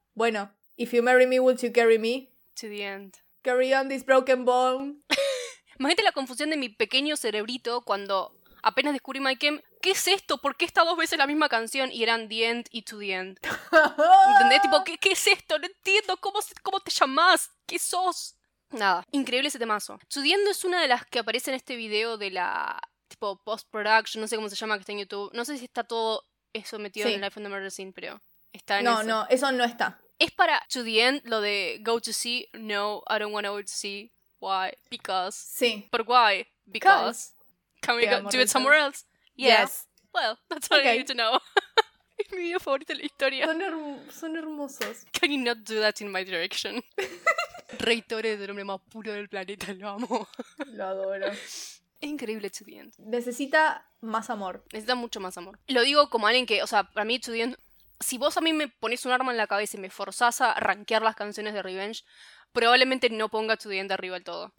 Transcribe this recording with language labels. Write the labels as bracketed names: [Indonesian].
[English] Bueno, if you marry me, will you carry me? To the end. Carry on this broken bone. [Spanish] Imagínate la confusión de mi pequeño cerebrito cuando apenas descubrí My Game. ¿Qué es esto? ¿Por qué está dos veces la misma canción? Y eran The End y To The End. ¿Entendés? Tipo, ¿qué es esto? No entiendo. ¿Cómo te llamás? ¿Qué sos? Nada. Increíble ese temazo. To The End es una de las que aparece en este video de la, tipo, post-production. No sé cómo se llama, que está en YouTube. No sé si está todo eso metido sí. En Life on the Murder Scene, pero está en no, ese. No, eso no está. Es para To The End, lo de go to see. [English] No, I don't want to go to see. Why? Because. [Spanish] Sí. [English] But why? Because. Can we go do it somewhere else? Yeah. Yes. Well, that's all okay. I need to know. [Spanish] Es mi video favorito de la historia. Son hermosos. [English] Can you not do that in my direction? [Spanish] Rey Toro es el hombre más puro del planeta, lo amo. Lo adoro. Es increíble To The End. Necesita más amor. Necesita mucho más amor. Lo digo como alguien que, o sea, para mí To The End, si vos a mí me pones un arma en la cabeza y me forzás a rankear las canciones de Revenge, probablemente no ponga To The End arriba del todo.